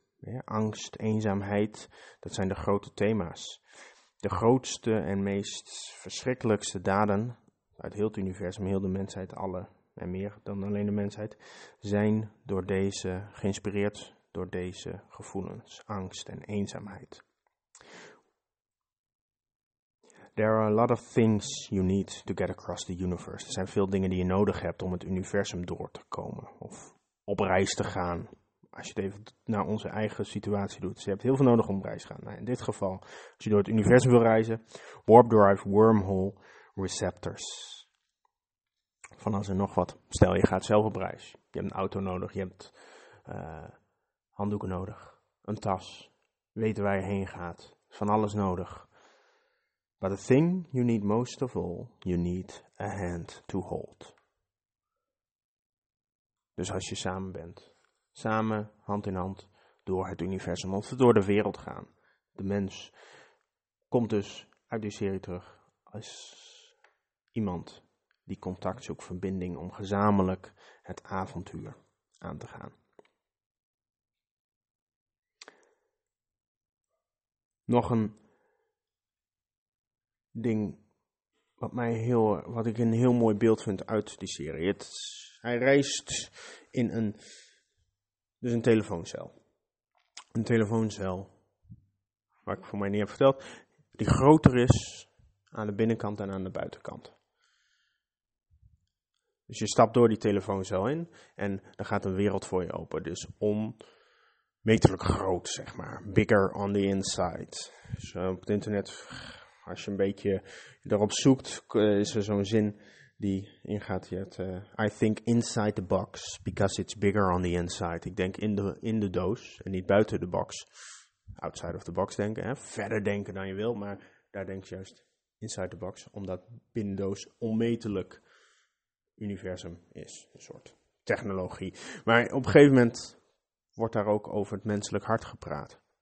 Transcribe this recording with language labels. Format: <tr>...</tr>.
<nl>Ja, angst, eenzaamheid, dat zijn de grote thema's. De grootste en meest verschrikkelijkste daden uit heel het universum, heel de mensheid, alle en meer dan alleen de mensheid, zijn door deze, geïnspireerd door deze gevoelens, angst en eenzaamheid.</nl> <en>There are a lot of things you need to get across the universe.</en> <nl>Er zijn veel dingen die je nodig hebt om het universum door te komen of op reis te gaan. Als je het even naar onze eigen situatie doet. Dus je hebt heel veel nodig om op reis te gaan. Nou, in dit geval, als je door het universum wil reizen, warp drive, wormhole, receptors. Van als er nog wat. Stel, je gaat zelf op reis. Je hebt een auto nodig, je hebt handdoeken nodig, een tas, weten waar je heen gaat, van alles nodig.</nl> <en>But the thing you need most of all, you need a hand to hold.</en> <nl>Dus als je samen bent, samen, hand in hand, door het universum, of door de wereld gaan. De mens komt dus uit die serie terug als iemand die contact zoekt, verbinding, om gezamenlijk het avontuur aan te gaan. Nog een ding wat ik een heel mooi beeld vind uit die serie. Hij reist in een telefooncel. Een telefooncel, waar ik voor mij niet heb verteld, die groter is aan de binnenkant en aan de buitenkant. Dus je stapt door die telefooncel in en er gaat een wereld voor je open. Dus onmetelijk groot, zeg maar.</nl> <en>Bigger on the inside.</en> <nl>Dus op het internet, als je een beetje erop zoekt, is er zo'n zin die ingaat. Je hebt,</nl> <en>I think inside the box, because it's bigger on the inside.</en> <nl>Ik denk in de doos en niet buiten de box.</nl> <en>Outside of the box</en> <nl>denken, hè? Verder denken dan je wil. Maar daar denk je juist</nl> <en>inside the box,</en> <nl>omdat binnen de doos onmetelijk universum is. Een soort technologie. Maar op een gegeven moment wordt daar ook over het menselijk hart gepraat.</nl>